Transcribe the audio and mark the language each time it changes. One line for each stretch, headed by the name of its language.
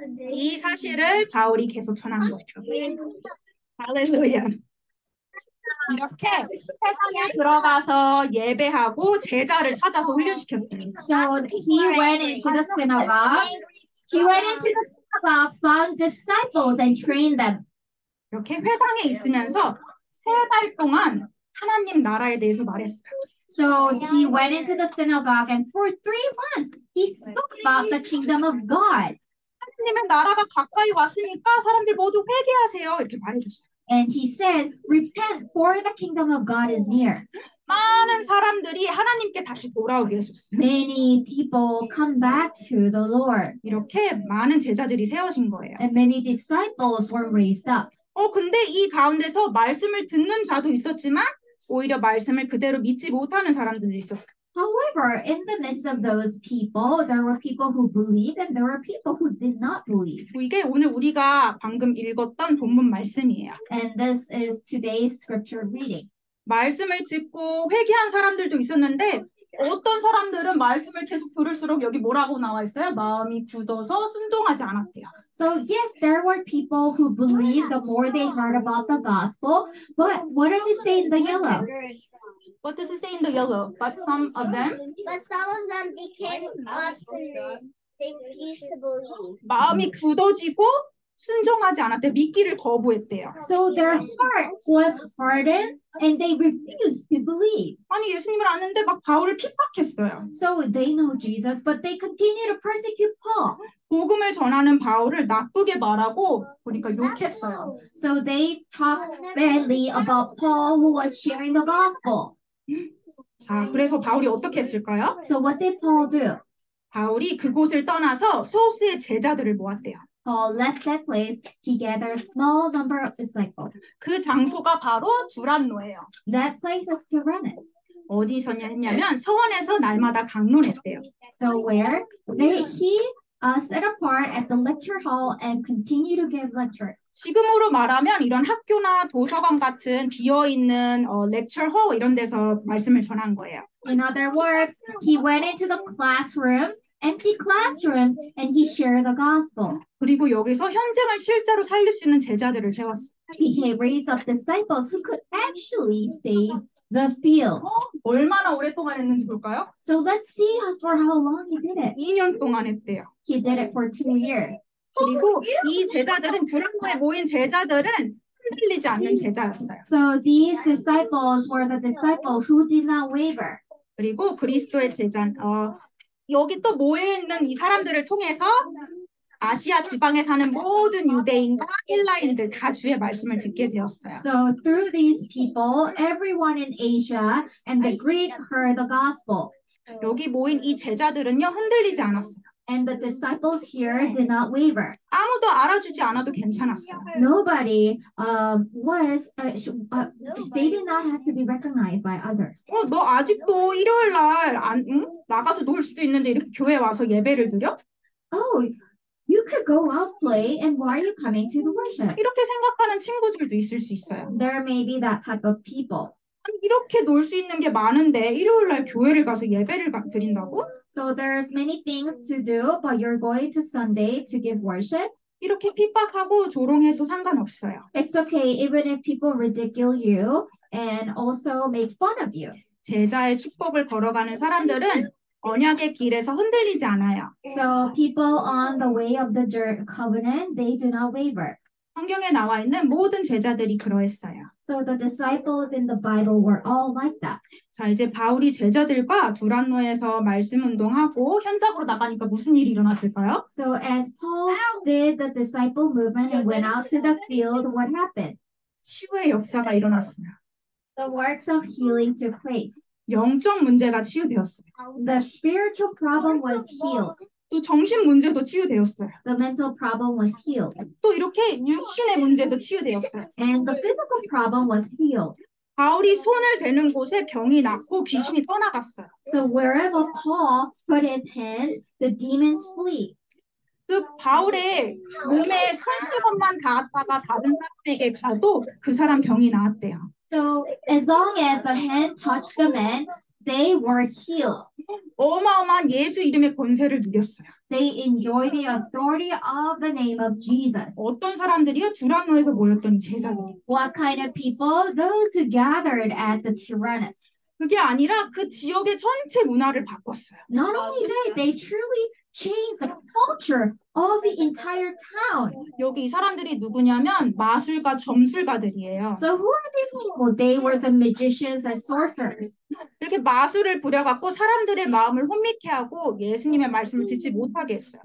Korean: 이 사실을 바울이 계속 전한 거죠.
English: Hallelujah.
Korean: 이렇게 회중에 들어가서 예배하고 제자를 찾아서 훈련시켰습니다.
English: So he went into the synagogue. He went into the synagogue, found disciples, and trained them.
Korean: 이렇게 회당에 있으면서 세 달 동안 하나님 나라에 대해서 말했어요.
English: So he went into the synagogue, and for 3 months, he spoke about the kingdom of God.
Korean: 하나님의 나라가 가까이 왔으니까 사람들 모두 회개하세요. 이렇게 말해줬어요.
English: And he said, repent, for the kingdom of God is near.
Korean: 많은 사람들이 하나님께 다시 돌아오게 했었어요.
English: Many people come back to the Lord.
Korean: 이렇게 많은 제자들이 세워진 거예요.
English: And many disciples were raised up.
Korean: 근데 이 가운데서 말씀을 듣는 자도 있었지만 오히려 말씀을 그대로 믿지 못하는 사람들도 있었어요.
English: However, in the midst of those people, there were people who believed and there were people who did not believe.
Korean: 이게 오늘 우리가 방금 읽었던 본문 말씀이에요.
English: And this is today's scripture reading.
Korean: 말씀을 듣고 회개한 사람들도 있었는데 어떤 사람들은 말씀을 계속 들을수록 여기 뭐라고 나와 있어요? 마음이 굳어서 순종하지 않았대요.
English: So yes, there were people who believed the more they heard about the gospel. But what does it say in the yellow? What does it say in the yellow? But some of them? But some of them became obstinate. They refused to believe.
Korean: 마음이 굳어지고 순종하지 않았대요. 믿기를 거부했대요.
English: So their heart was hardened and they refused to believe.
Korean: 아니 예수님을 아는데 막 바울을 핍박했어요.
English: So they know Jesus but they continue to persecute Paul.
Korean: 복음을 전하는 바울을 나쁘게 말하고 보니까 욕했어요.
English: So they talk badly about Paul who was sharing the gospel.
Korean: 자, 그래서 바울이 어떻게 했을까요?
English: So what did Paul do?
Korean: 바울이 그곳을 떠나서 소수의 제자들을 모았대요.
English: Paul left that place. He gathered a small number of disciples.
Korean: 그 장소가 바로 두란노예요.
English: That place is Tyrannus.
Korean: 어디서 했냐면 서원에서 날마다 강론했대요.
English: So where? He set apart at the lecture hall and continue to give lectures.
Korean: 지금으로 말하면 이런 학교나 도서관 같은 비어있는 lecture hall 이런 데서 말씀을 전한 거예요.
English: In other words, he went into the classroom, empty classrooms, and he shared the gospel.
Korean: 그리고 여기서 현장을 실제로 살릴 수 있는 제자들을 세웠어요.
English: He raised up disciples who could actually save the field.
Korean: 얼마나 오랫동안 했는지 볼까요?
English: So let's see for how long he did it.
Korean: 2년 동안 했대요.
English: He did it for 2 years.
Korean: 그리고 이 제자들은 두란노에 모인 제자들은 흔들리지 않는 제자였어요.
English: So these disciples were the disciples who did not waver.
Korean: 그리고 그리스도의 여기 또 모여 있는 이 사람들을 통해서 아시아 지방에 사는 모든 유대인과 헬라인들 다 주의 말씀을 듣게 되었어요.
English: So through these people, everyone in Asia and the Greek heard the gospel.
Korean: 여기 모인 이 제자들은요 흔들리지 않았어요.
English: And the disciples here did not waver.
Korean: 아무도 알아주지 않아도 괜찮았어.
English: Nobody they did not have to be recognized by others.
Korean: 너 아직도 일요일 날 나가서 놀 수도 있는데 이렇게 교회 와서 예배를 드려?
English: Oh, you could go out play and why are you coming to the worship?
Korean: 이렇게 생각하는 친구들도 있을 수 있어요.
English: There may be that type of people.
Korean: 이렇게 놀 수 있는 게 많은데 일요일 날 교회를 가서 예배를 드린다고?
English: So there's many things to do, but you're going to Sunday to give worship?
Korean: 이렇게 핍박하고 조롱해도 상관없어요.
English: It's okay even if people ridicule you and also make fun of you.
Korean: 제자의 축복을 걸어가는 사람들은 언약의 길에서 흔들리지 않아요.
English: So people on the way of the covenant, they do not waver.
Korean: 성경에 나와 있는 모든 제자들이 그러했어요.
English: So the disciples in the Bible were all like that.
Korean: 자, 이제 바울이 제자들과 두란노에서 말씀 운동하고 현장으로 나가니까 무슨 일이 일어났을까요?
English: So as Paul did the disciple movement and went out to the field, what happened?
Korean: 치유의 역사가 일어났어요.
English: The works of healing took place.
Korean: 영적 문제가 치유되었어요.
English: The spiritual problem was healed.
Korean: 또 정신 문제도 치유되었어요.
English: The mental problem was healed.
Korean: 또 이렇게 육신의 문제도 치유되었어요.
English: And the physical problem was healed.
Korean: 바울이 손을 대는 곳에 병이 낫고 귀신이 떠나갔어요.
English: So wherever Paul put his hands, the demons flee.
Korean: 그 바울의 몸에 손수건만 닿았다가 다른 사람에게 가도 그 사람 병이 나았대요.
English: So as long as a hand touched the man, they were healed.
Korean: 어마어마한 예수 이름의 권세를 누렸어요.
English: They enjoyed the authority of the name of Jesus.
Korean: 어떤 사람들이요? 주라노에서 모였던 제자들.
English: What kind of people? Those who gathered at the Tyrannus.
Korean: 그게 아니라 그 지역의 전체 문화를 바꿨어요.
English: Not only that, they truly changed the culture of the entire town.
Korean: 여기 이 사람들이 누구냐면 마술가, 점술가들이에요.
English: So who are these people? They were the magicians and sorcerers.
Korean: 이렇게 마술을 부려갖고 사람들의 마음을 혼미케 하고 예수님의 말씀을 듣지 못하게 했어요.